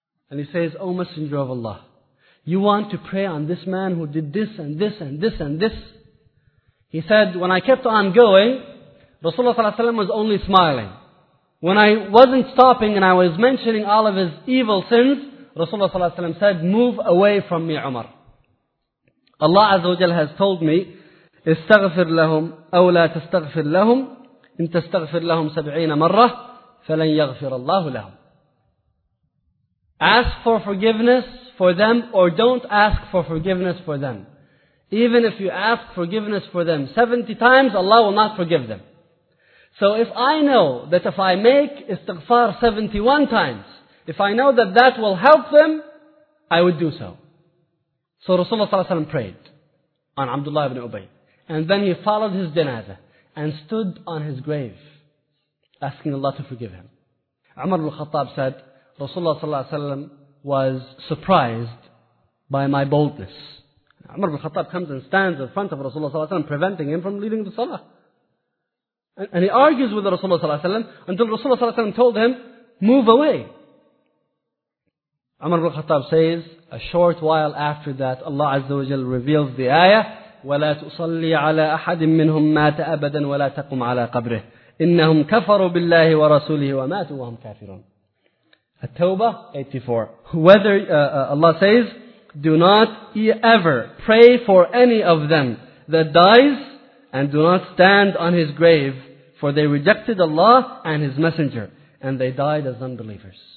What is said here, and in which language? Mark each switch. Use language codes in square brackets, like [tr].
[en] And he says, O Messenger of Allah, you want to pray on this man who did this and this and this and this? He said, when I kept on going, Rasulullah ﷺ was only smiling. When I wasn't stopping and I was mentioning all of his evil sins, Rasulullah ﷺ said, move away from me, Umar. Allah Azza wa Jalla has told me, [ar] استغفر لهم أو لا تستغفر لهم إن تستغفر لهم سبعين مرة فَلَنْ يَغْفِرَ اللَّهُ لَهُمْ. [en] Ask for forgiveness for them, or don't ask for forgiveness for them. Even if you ask forgiveness for them 70 times, Allah will not forgive them. So if I know that if I make istighfar 71 times, if I know that that will help them, I would do so. So Rasulullah ﷺ prayed on Abdullah ibn Ubay. And then he followed his janazah and stood on his grave, asking Allah to forgive him. Umar ibn Khattab said, Rasulullah ﷺ was surprised by my boldness. Umar ibn Khattab comes and stands in front of Rasulullah ﷺ, preventing him from leading the salah. And he argues with Rasulullah ﷺ until Rasulullah ﷺ told him, move away. Umar ibn Khattab says, a short while after that, Allah Azza wa Jal reveals the ayah, [ar] وَلَا تُصَلِّ عَلَىٰ أَحَدٍ مِّنْهُمْ مَاتَ أَبَدًا وَلَا تَقُمْ عَلَىٰ قَبْرِهِ إِنَّهُمْ كَفَرُوا بِاللَّهِ وَرَسُولِهِ وَمَاتُوا وَهُمْ كَافِرُونَ. [en] At-Tawbah 84. Whether Allah says, do not ever pray for any of them that dies, and do not stand on his grave, for they rejected Allah and his messenger, and they died as unbelievers.